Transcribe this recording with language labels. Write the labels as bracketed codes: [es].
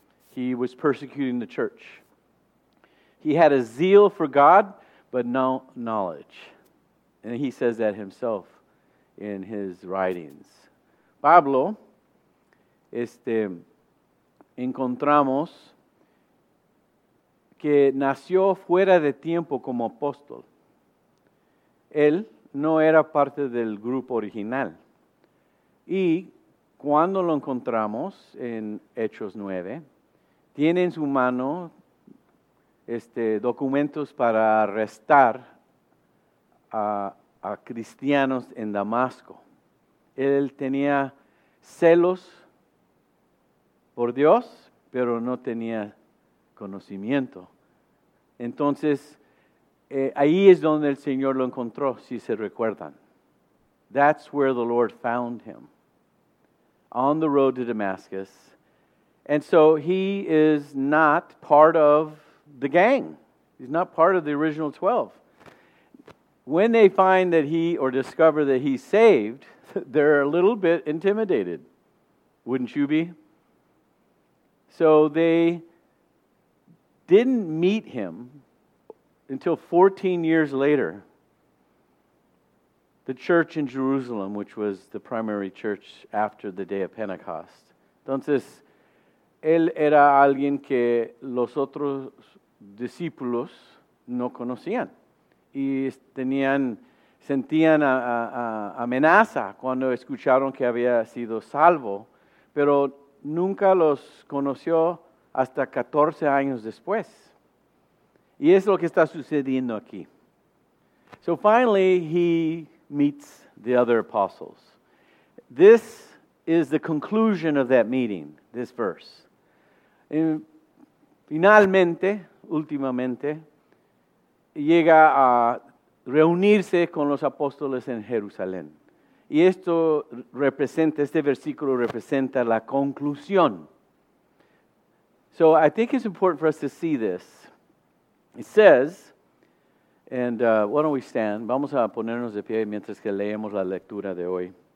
[en] He was persecuting the church. He had a zeal for God, but no knowledge. And he says that himself in his writings. [es] Pablo, encontramos que nació fuera de tiempo como apóstol. Él no era parte del grupo original. Y cuando lo encontramos en Hechos 9, tiene en su mano documentos para arrestar a cristianos en Damasco. Él tenía celos por Dios, pero no tenía conocimiento. Entonces, ahí es donde el Señor lo encontró, si se recuerdan. [en] That's where the Lord found him, on the road to Damascus. And so he is not part of the gang. He's not part of the original 12. When they find that he, or discover that he's saved, they're a little bit intimidated. Wouldn't you be? So they didn't meet him until 14 years later, the church in Jerusalem, which was the primary church after the day of Pentecost. [es] Entonces, él era alguien que los otros discípulos no conocían. Y sentían amenaza cuando escucharon que había sido salvo, pero nunca los conoció hasta 14 años después. Y es lo que está sucediendo aquí. [en] So finally, he meets the other apostles. This is the conclusion of that meeting, this verse. En [es] Finalmente, últimamente, llega a reunirse con los apóstoles en Jerusalén. Y esto representa, este versículo representa la conclusión. [en] So I think it's important for us to see this. It says, and why don't we stand? [es] Vamos a ponernos de pie mientras que leemos la lectura de hoy.